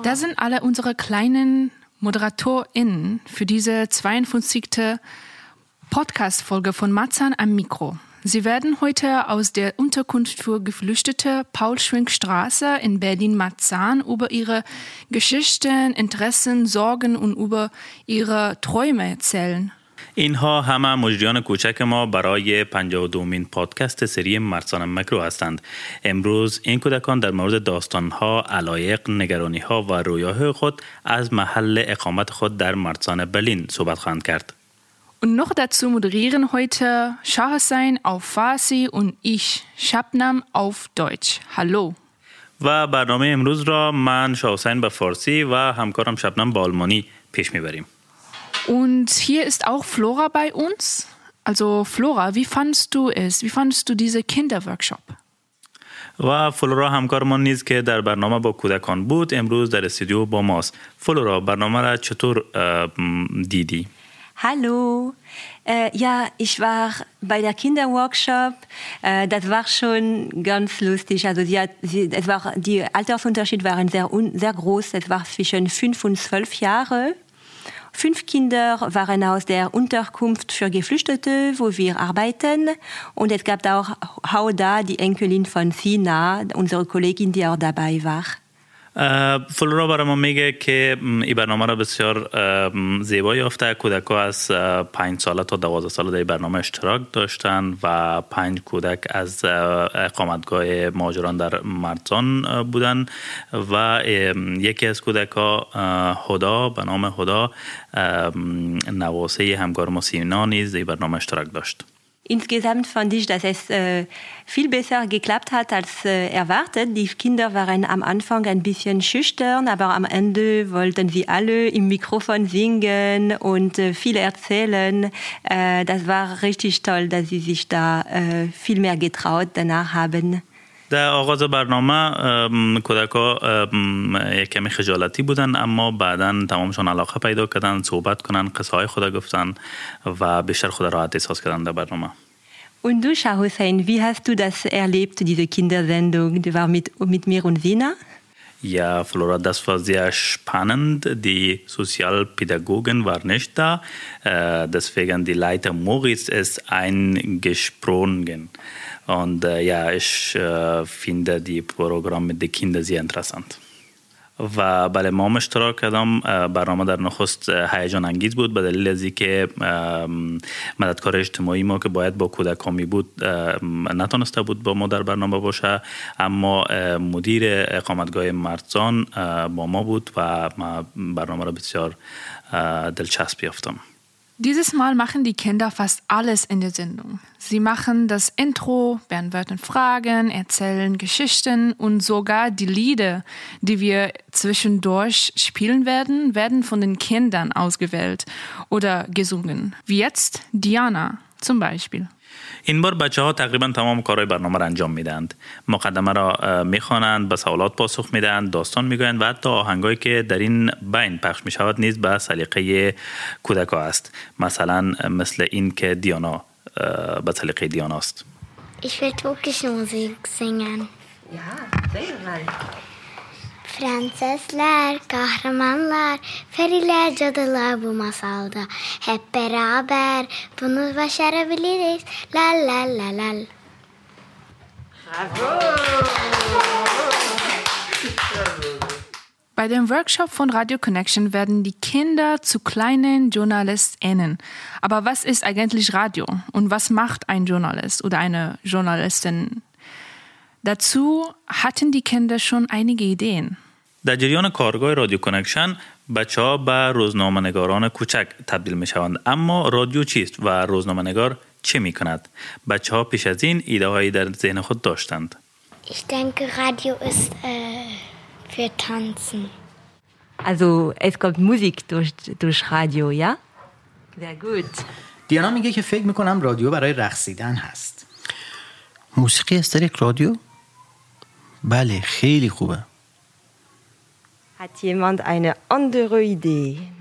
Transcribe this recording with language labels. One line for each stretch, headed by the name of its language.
German: Da sind alle unsere kleinen ModeratorInnen für diese 52. Podcast-Folge von Marzahn am Mikro. Sie werden heute aus der Unterkunft für Geflüchtete Paul-Schwenk-Straße in Berlin-Marzahn über ihre Geschichten, Interessen, Sorgen und über ihre Träume erzählen.
Persian: اینها همه مجریان کوچک ما برای 52مین پادکست سری مرسان مکرو هستند. امروز این کودکان در مورد داستانها، علایق، نگرانیها و رویاه خود از محل اقامت خود در مرسان برلین صحبت خواهند کرد. و
German: noch dazu moderieren heute Shahsein auf Farsi und ich Shabnam auf Deutsch. Hallo.
Persian: و برنامه امروز را من Shahsein به فارسی و همکارم Shabnam به آلمانی پیش میبریم.
German: Und hier ist auch Flora bei uns. Also Flora, wie fandest du es? Wie fandest du diese Kinderworkshop?
Persian: و فلورا همکارمان نیز که در برنامه با کودکان بود، امروز در استودیو با ماست. فلورا، برنامه را چطور دیدی؟
German: Hallo. Ja, ich war bei der Kinderworkshop. Das war schon ganz lustig. Also die Altersunterschied waren sehr groß. Es war zwischen 5 und 12 Jahre. 5 Kinder waren aus der Unterkunft für Geflüchtete, wo wir arbeiten. Und es gab auch Hauda, die Enkelin von Sina, unsere Kollegin, die auch dabei war.
Persian: فلورا برای ما میگه که این برنامه را بسیار زیبا یافته. کودک ها از 5 ساله تا 12 ساله در برنامه اشتراک داشتن و 5 کودک از اقامتگاه مهاجران در مرزان بودن و یکی از کودک ها هدا به نام هدا نواسه همکار ما سینا نیز در برنامه اشتراک داشت.
German: Insgesamt fand ich, dass es viel besser geklappt hat als erwartet. Die Kinder waren am Anfang ein bisschen schüchtern, aber am Ende wollten sie alle im Mikrofon singen und viel erzählen. Das war richtig toll, dass sie sich da viel mehr getraut danach haben.
Persian: در آغاز برنامه کودک ها یک کمی خجالتی بودن، اما بعدن تمامشان علاقه پیدا کردن، صحبت کنن، قصه های خود گفتن و بیشتر خود راحت احساس کردن در برنامه.
German: Und du, Shah Hussein, wie hast du das erlebt, diese Kindersendung? Du war mit mir und Sina? Ja, Flora, das war sehr spannend. Die Sozialpädagogin war nicht da. Deswegen die Leiter Moritz ist eingesprungen. Und ja, ich finde die Programme mit den Kindern sehr interessant.
Persian: و بله ما اشتراک کردم. برنامه در نخست هیجان انگیز بود به دلیل از اینکه مددکار اجتماعی ما که باید با کودکان می بود نتونسته بود با ما در برنامه باشه، اما مدیر اقامتگاه مرزان با ما بود و من برنامه را بسیار دلچسب یافتم.
German: Dieses Mal machen die Kinder fast alles in der Sendung. Sie machen das Intro, beantworten Fragen, erzählen Geschichten und sogar die Lieder, die wir zwischendurch spielen werden, werden von den Kindern ausgewählt oder gesungen. Wie jetzt Diana zum Beispiel.
Persian: این بار بچه ها تقریبا تمام کارهای برنامه را انجام میدهند. مقدمه را میخوانند، به سوالات پاسخ میدهند، داستان میگویند و حتی آهنگایی که در این بین پخش میشود نیز به سلیقه کودک ها است. مثلا مثل این که دیانا به سلیقه دیانا است.
German: Ich will türkische Musik singen. Ja,
Turkish: Prensesler, kahramanlar, feriler, cadılar bu masalda. Hep beraber bunu başarabiliriz. La la la la.
German: Bravo! Bei dem Workshop von Radio Connection werden die Kinder zu kleinen JournalistInnen. Aber was ist eigentlich Radio? Und was macht ein Journalist oder eine Journalistin? Dazu hatten die Kinder schon einige Ideen.
Persian: در جریان کارگاه رادیو کانکشن بچه ها به روزنامه نگاران کوچک تبدیل می شوند. اما رادیو چیست و روزنامه نگار چه می کند؟ بچه ها پیش از این ایده هایی در ذهن خود داشتند.
German: Ich denke, Radio ist für Tanzen. Also, es kommt Musik durch Radio, ja? Sehr gut.
Persian: دیانا میگه که فکر میکنم رادیو برای رقصیدن هست. موسیقی از طریق رادیو؟ بله، خیلی خوبه.
German: Hat jemand eine andere Idee?